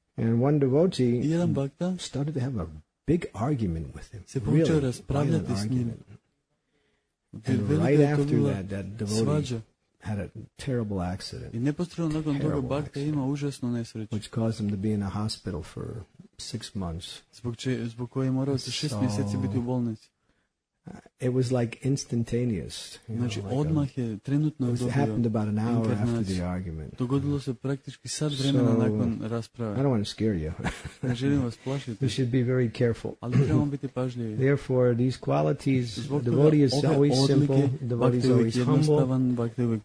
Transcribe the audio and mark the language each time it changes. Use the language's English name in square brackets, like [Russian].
[English] And one devotee started to have a big argument with him. [Croatian] Se [English] really, quite an argument. [Croatian] S njim. [English] And right after that devotee [Croatian] svađa. [English] Had a terrible accident. [Croatian] I neposredno nakon toga bhakta ima užasnu nesreću. [English] Which caused him to be in a hospital for 6 months. [Croatian] Zbog koje je morao za 6 mjeseci biti u bolnici. [English] It was like instantaneous. [Croatian] Znači, [English] like [Croatian] odmah je trenutno dobio. [English] It happened about an hour after the argument. [Croatian] Dogodilo se praktički sad vremena nakon rasprave. [English] I don't want to scare you. [Croatian] Ne želim vas plašiti. [English] You should be very careful. [Croatian] Ali trebamo biti pažljivi. [English] Therefore, these qualities, the devotee is always simple, the devotee is always humble, the